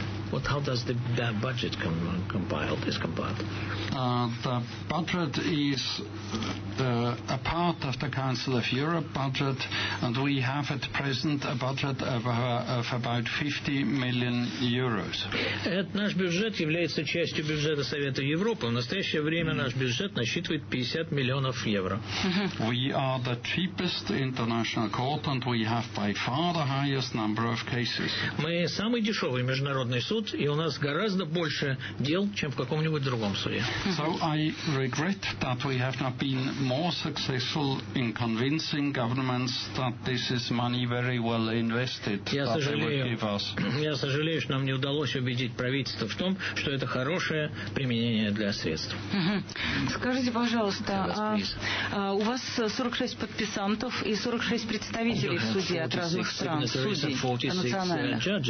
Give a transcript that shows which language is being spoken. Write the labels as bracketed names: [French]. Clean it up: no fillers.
[English] What, how does the budget compiled, is compiled? The budget is a part of the Council of Europe budget, and we have at present a budget of about 50 million euros. [Russian] Наш бюджет является частью бюджета Совета Европы. В настоящее время наш бюджет насчитывает 50 миллионов евро. [English] We are the cheapest international court, and we have by far the highest number of cases. [Russian] Мы самый дешевый международный суд, и у нас гораздо больше дел, чем в каком-нибудь другом суде. [English] So I regret that we have not been more successful in convincing governments that this is money very well invested. [Russian] Я сожалею, что нам не удалось убедить правительство в том, что это хорошее применение для средств. Скажите, пожалуйста, у вас 46 подписантов и 46 представителей в суде от разных стран, судей, национальных.